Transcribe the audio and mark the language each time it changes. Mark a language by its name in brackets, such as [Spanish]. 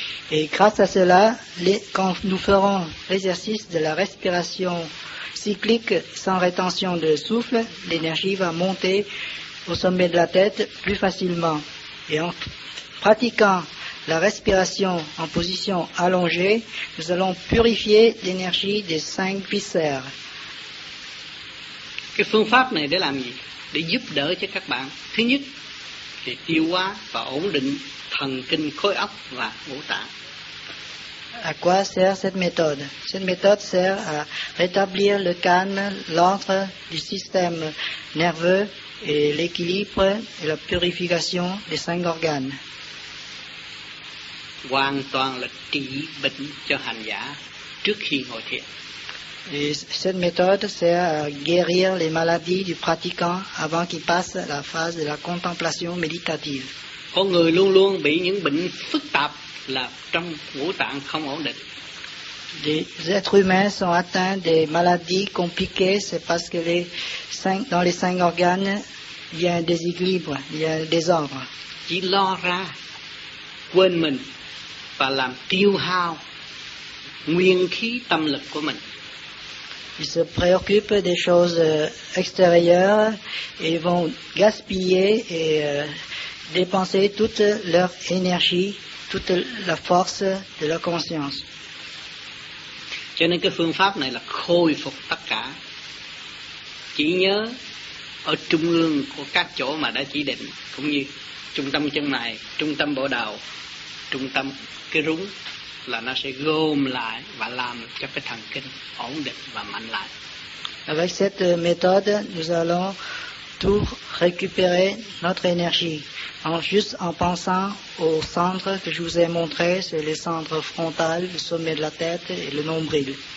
[French] Et grâce à cela, quand nous ferons l'exercice de la respiration cyclique sans rétention de souffle, l'énergie va monter au sommet de la tête plus facilement. Et en pratiquant la respiration en position allongée, nous allons purifier l'énergie des cinq viscères. [Vietnamese] Cái phương pháp này để làm gì? Để giúp đỡ cho các bạn, thứ nhất thì tiêu hóa và ổn định thần kinh khối óc và ngũ tạng. [French] À quoi sert cette méthode? Cette méthode sert à rétablir le calme, l'ordre du système nerveux et l'équilibre et la purification des cinq organes. [Vietnamese] Hoàn toàn là trị bệnh cho hành giả trước khi ngồi thiền. [French] Et cette méthode sert à guérir les maladies du pratiquant avant qu'il passe à la phase de la contemplation méditative. [Vietnamese] Con người luôn luôn bị những bệnh phức tạp là trong ngũ tạng không ổn định. [French] Les êtres humains sont atteints des maladies compliquées, c'est parce que dans les cinq organes, il y a un déséquilibre, il y a un désordre. [Vietnamese] Chỉ lo ra, quên mình và làm tiêu hao nguyên khí tâm lực của mình. [French] Ils se préoccupent des choses extérieures et vont gaspiller et dépenser toute leur énergie, toute la force de leur conscience. [Vietnamese] Cho nên cái phương pháp này là khôi phục tất cả chỉ nhớ ở trung ương của các chỗ mà đã chỉ định, cũng như trung tâm chân mày, trung tâm bộ đầu, trung tâm cái rúng, là nó sẽ gom lại và làm cho cái thần kinh ổn định và mạnh lại. [French] Avec cette méthode, nous allons tout récupérer notre énergie. En juste en pensant au centre que je vous ai montré, c'est le centre frontal, le sommet de la tête et le nombril.